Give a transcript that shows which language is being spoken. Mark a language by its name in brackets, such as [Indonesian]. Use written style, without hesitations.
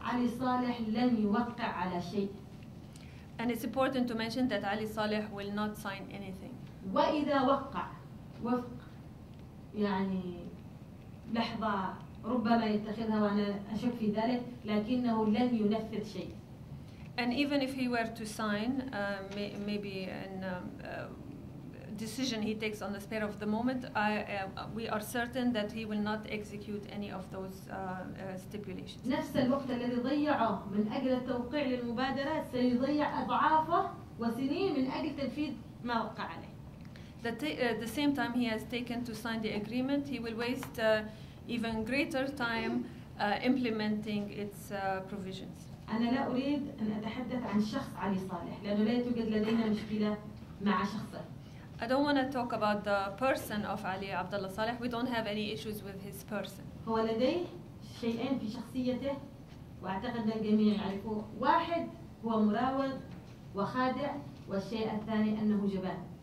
[Arabic] Ali Saleh لن يوقع على شيء. [English] And it's important to mention that Ali Saleh will not sign anything. [Arabic] وإذا وقع وفق يعني لحظة ربما يتخذها وأنا أشك في ذلك لكنه لن ينفذ شيء. [English] And even if he were to sign, maybe in a decision he takes on the spur of the moment, we are certain that he will not execute any of those stipulations. [Arabic] نفس الوقت الذي ضيعه من أجل التوقيع للمبادرة سيضيع أضعافه وسنين من أجل تنفيذ ما وقع عليه. [English] The same time he has taken to sign the agreement, he will waste even greater time implementing its provisions. [Arabic] أنا لا أريد أن أتحدث عن شخص علي صالح لأنه لا توجد لدينا مشكلة مع شخصه. [English] I don't want to talk about the person of Ali Abdullah Saleh. We don't have any issues with his person. [Arabic] هو لديه شيئين في شخصيته وأعتقد الجميع يعرفوا. واحد هو مراوغ وخادع والشيء الثاني أنه جبان.